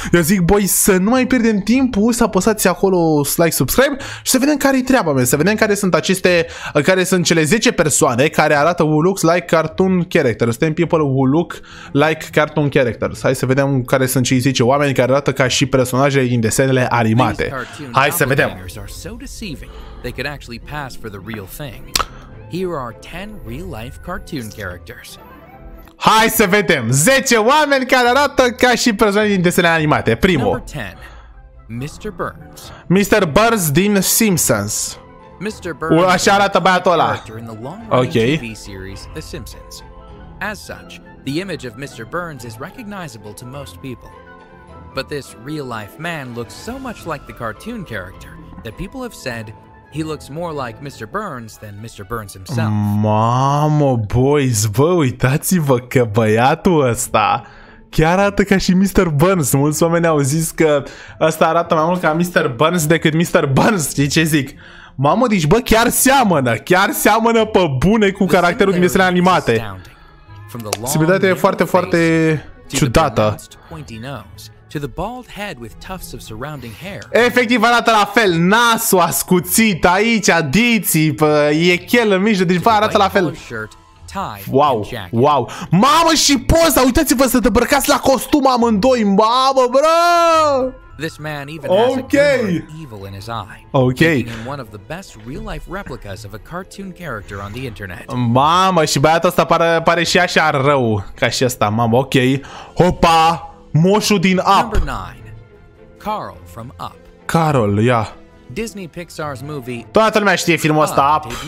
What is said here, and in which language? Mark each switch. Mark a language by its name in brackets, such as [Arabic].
[Romanian] Eu zic, boi, să nu mai pierdem timpul, să apăsați acolo like, subscribe și să vedem care-i treaba, mea. Să vedem care sunt aceste, care sunt cele 10 persoane care arată [English] who looks like cartoon characters. [Romanian] Suntem [English] people who look like cartoon characters. [Romanian] Hai să vedem care sunt cei 10 oameni care arată ca și personajele din desenele animate. Hai să vedem. [English] So deceiving, they could actually pass for the real thing. Here are 10 real life cartoon characters. [Romanian] Hai să vedem 10 oameni care arată ca și persoane din desene animate. Primul. [English] Number 10. Mr. Burns. Mr. [Romanian] Burns din Simpsons. Mr. Burns. Așa arată băiatul ăla. Ok. [English] TV series The Simpsons. As such, the image of Mr. Burns is recognizable to most people. But this real life man looks so much like the cartoon character that people have said he looks more like Mr. Burns than Mr. Burns himself. [Romanian] Mamă, boys, bă, uitați-vă că băiatul ăsta chiar arată ca și Mr. Burns. Mulți oameni au zis că ăsta arată mai mult ca Mr. Burns decât Mr. Burns. Știi ce zic? Mamă, deci bă, chiar seamănă. Chiar seamănă pe bune cu caracterul din desenele animate. Similitatea e foarte, foarte ciudată. [English] To the bald head with tufts of surrounding hair. [Romanian] Efectiv arată la fel, nasul ascuțit aici, adiții, pă, e chel în mijloc, deci arată la fel. Wow, wow. Mamă, și poza, uitați-vă să te îmbrăcați la costum amândoi, mamă, bro! [English] This man even okay. has a glimmer of evil in his eye, okay. making him one of the best real-life replicas of a cartoon character on the internet. [Romanian] Mamă, și băiatul ăsta pare și așa rău ca și ăsta, mamă, ok. Hopa! Moșul din Up. [English] Number 9. Carl from Up. [Romanian] Carl, ia. [English] Yeah. Disney Pixar's movie. [Romanian] Toată lumea știe filmul ăsta Up.